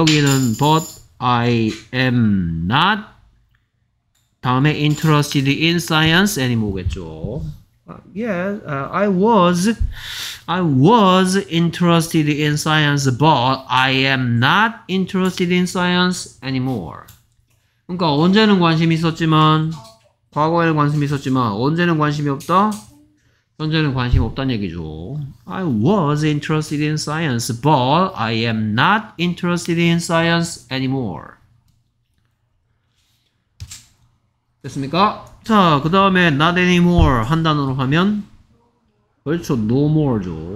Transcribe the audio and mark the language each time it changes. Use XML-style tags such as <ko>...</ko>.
<ko>여기는</ko> <en>but I am not</en> <ko>다음에</ko> <en>interested in science anymore겠죠. Yes, I was interested in science, but I am not interested in science anymore.</en> <ko>그러니까 언제는 관심 있었지만 과거에는 관심 있었지만 언제는 관심이 없다. 현재는 관심 없다는 얘기죠.</ko> <en>I was interested in science, but I am not interested in science anymore.</en> <ko>됐습니까? 자, 그 다음에 not anymore 한 단어로 하면 그렇죠, no more죠.</ko>